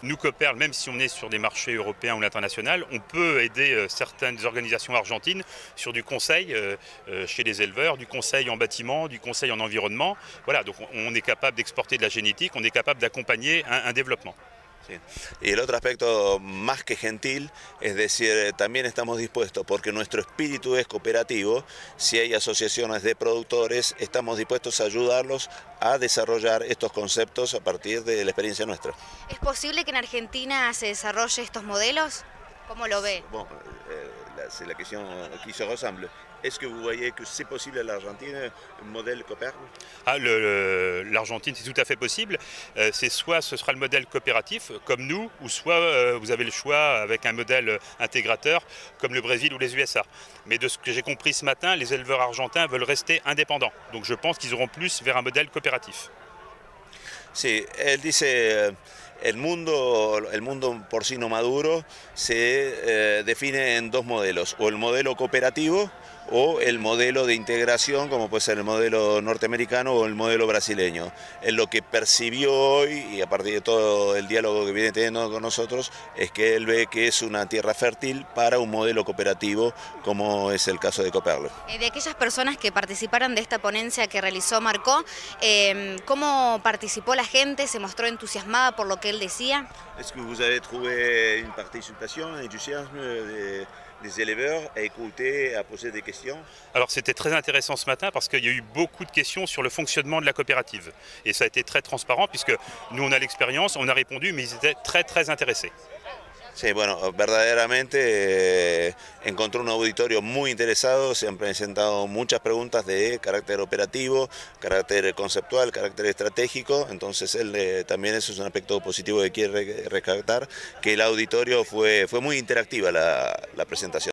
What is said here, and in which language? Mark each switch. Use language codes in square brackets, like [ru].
[fr] Nous coopérons, même si on est sur des marchés européens ou international, on peut aider certaines organisations argentines sur du conseil chez les éleveurs, du conseil en bâtiment, du conseil en environnement. Voilà, donc on est capable d'exporter de la génétique, on est capable d'accompagner un développement. [es] Sí. Y el otro aspecto más que gentil, es decir, también estamos dispuestos, porque nuestro espíritu es cooperativo, si hay asociaciones de productores, estamos dispuestos a ayudarlos a desarrollar estos conceptos a partir de la experiencia nuestra. ¿Es posible que en Argentina se desarrolle estos modelos? ¿Cómo lo ve? [fr] Bueno, c'est la question qui se ressemble. Est-ce que vous voyez que c'est possible à l'Argentine, modèle coopérative? Ah, l'Argentine, c'est tout à fait possible. C'est soit ce sera le modèle coopératif, comme nous, ou soit vous avez le choix avec un modèle intégrateur, comme le Brésil ou les USA. Mais de ce que j'ai compris ce matin, les éleveurs argentins veulent rester indépendants. Donc je pense qu'ils auront plus vers un modèle coopératif. Si, elle dit c'est... [es] El mundo porcino maduro se define en dos modelos, o el modelo cooperativo o el modelo de integración, como puede ser el modelo norteamericano o el modelo brasileño. Él lo que percibió hoy, y a partir de todo el diálogo que viene teniendo con nosotros, es que él ve que es una tierra fértil para un modelo cooperativo, como es el caso de Cooperlo. De aquellas personas que participaron de esta ponencia que realizó Marcó, ¿cómo participó la gente? ¿Se mostró entusiasmada por lo que él decía? [fr] ¿Es que vous avez trouvé une participation, un entusiasmo de... les éleveurs à écouter, à poser des questions. Alors c'était très intéressant ce matin parce qu'il y a eu beaucoup de questions sur le fonctionnement de la coopérative. Et ça a été très transparent puisque nous on a l'expérience, on a répondu, mais ils étaient très très intéressés. [es] Sí, bueno, verdaderamente encontró un auditorio muy interesado, se han presentado muchas preguntas de carácter operativo, carácter conceptual, carácter estratégico, entonces él también eso es un aspecto positivo que quiere rescatar, que el auditorio fue muy interactiva la presentación.